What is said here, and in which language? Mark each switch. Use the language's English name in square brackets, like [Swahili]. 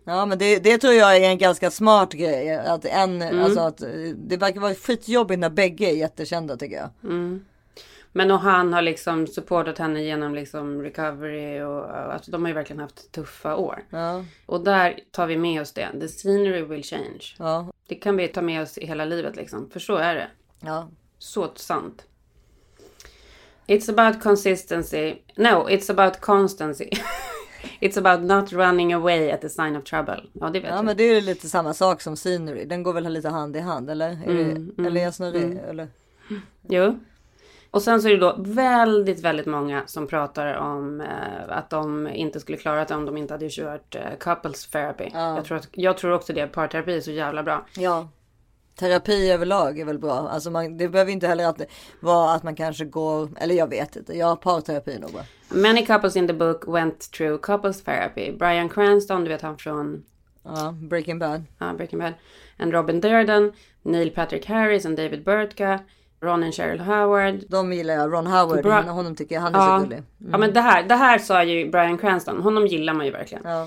[Swedish] Ja, men det tror jag är en ganska smart grej. Att en, alltså att det verkar vara skitjobbigt när bägge är jättekända, tycker jag. Mm. Men och han har liksom supportat henne genom liksom recovery. Alltså de har ju verkligen haft tuffa år. Ja. Och där tar vi med oss det. [English] The scenery will change. [Swedish] Ja. Det kan vi ta med oss i hela livet liksom. För så är det. Ja. Så sant. [English] It's about consistency. No, it's about constancy. It's about not running away at the sign of trouble. [Swedish] Ja, det vet jag. Ja, men det är ju lite samma sak som scenery. Den går väl lite hand i hand, eller? Eller jag snurrar eller? Jo. Och sen så är det då väldigt, väldigt många som pratar om att de inte skulle klara det om de inte hade kört couples therapy. Ja. Jag tror också det. Parterapi är så jävla bra. Ja. Terapi överlag är väl bra. Alltså det behöver inte heller att vara att man kanske går, eller jag vet inte. Jag har parterapi nog. [English] Many couples in the book went through couples therapy. [Swedish] Bryan Cranston, du vet han från Breaking Bad. Breaking Bad. And Robin Durden, Neil Patrick Harris och David Burtka. Ron och Cheryl Howard. De gillar jag. Ron Howard, honom tycker jag, han är så gullig. Mm. Ja, men det här sa ju Brian Cranston. Honom gillar man ju verkligen.